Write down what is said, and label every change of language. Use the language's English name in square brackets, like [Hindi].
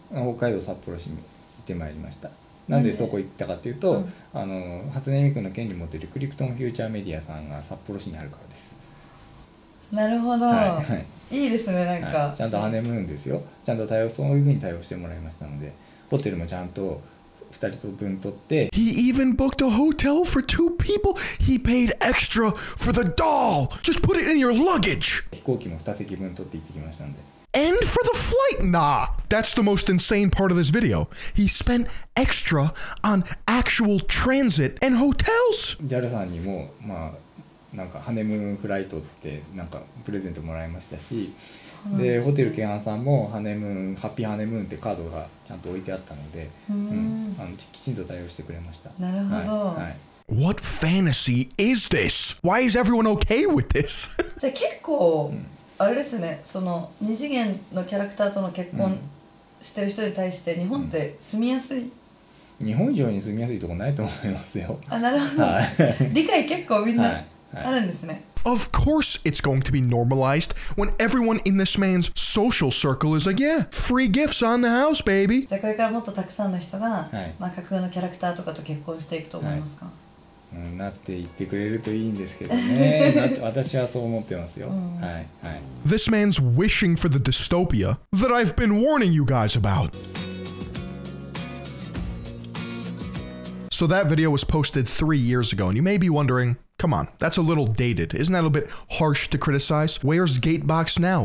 [Japanese] 北海道札幌市に行ってまいりました。なんでそこ行ったかというと、うん、初音ミクの権利持っているクリプトンフューチャーメディアさんが札幌市にあるからです。なるほど、はいはい、いいですね。なんか、はい、ちゃんとハネムーンですよ。ちゃんと対応、そういうふうに対応してもらいましたので、ホテルもちゃんと2人と分取って。 [English] He even booked a hotel for two people. He paid extra for the doll. Just put it in your luggage. [Japanese] 飛行機も2席分取って行ってきましたので。 [English] And for the flight? Nah! That's the most insane part of this video. He spent extra on actual transit and hotels! [Japanese] JAL さんにも、まあ、なんかハネムーンフライトってなんかプレゼントもらいましたし、で、ホテルケアンさんもハネムーン、ハッピーハネムーンってカードがちゃんと置いてあったので、うん、きちんと対応してくれました。なるほど。はいはい、 [English] What fantasy is this? Why is everyone okay with this? [Japanese] じゃあ結構、うん、あれですね、その二次元のキャラクターとの結婚してる人に対して日本って住みやすい、うん、日本以上に住みやすいとこないと思いますよ。あ、なるほど理解結構みんなあるんですね、はい [English] はい、Of course it's going to be normalized when everyone in this man's social circle is like, yeah, free gifts on the house, baby. [Japanese] じゃあこれからもっとたくさんの人が、まあ、架空のキャラクターとかと結婚していくと思いますか、なって言ってくれるといいんですけどね。私はそう思ってますよ、うん、はいはい。 [English] This man's wishing for the dystopia that I've been warning you guys about. So that video was posted 3 years ago, and you may be wondering, come on, that's a little dated. Isn't that a bit harsh to criticize? Where's Gatebox now?